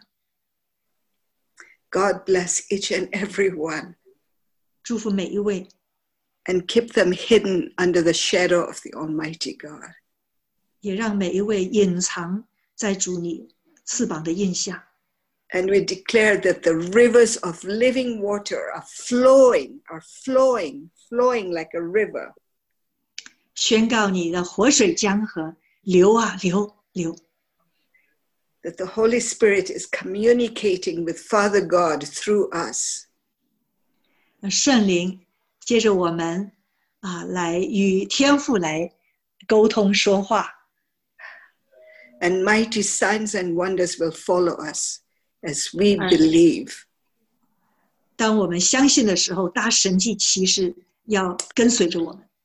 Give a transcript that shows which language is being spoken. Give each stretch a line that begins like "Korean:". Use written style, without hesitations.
Chinese: 主，我们感谢你，让我们可以见证你在我们当中所做的。
English: God bless each and every one.
Chinese: 祝福每一位。
English: And keep them hidden under the shadow of the Almighty God.
Chinese: 也让每一位隐藏在主你翅膀的荫下。
English: And we declare that the rivers of living water are flowing like a river.
Chinese: 宣告你的活水江河。流啊, 流, 流。
English: That the Holy Spirit is communicating with Father God through us.
Chinese: 圣灵接着我们, 啊, 来与天父来沟通说话。
English: And mighty signs and wonders will follow us as we believe.
Chinese: 当我们相信的时候, 大神迹奇事要跟随着我们。